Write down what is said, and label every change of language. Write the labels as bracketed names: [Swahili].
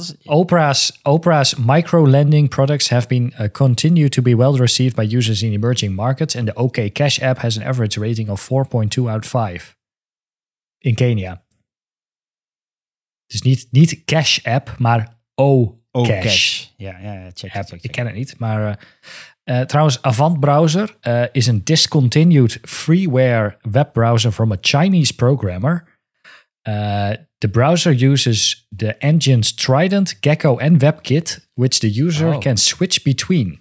[English] Opera's micro-lending products have been continued to be well-received by users in emerging markets. And the OK Cash app has an average rating of 4.2 out of 5 in Kenia. [Dutch] Dus niet Cash app, maar OKCash. Ja, check. Ik ken het niet, maar trouwens, Avant Browser is een [English] discontinued freeware webbrowser from a Chinese programmer. The browser uses the engines Trident, Gecko en WebKit, which the user can switch between.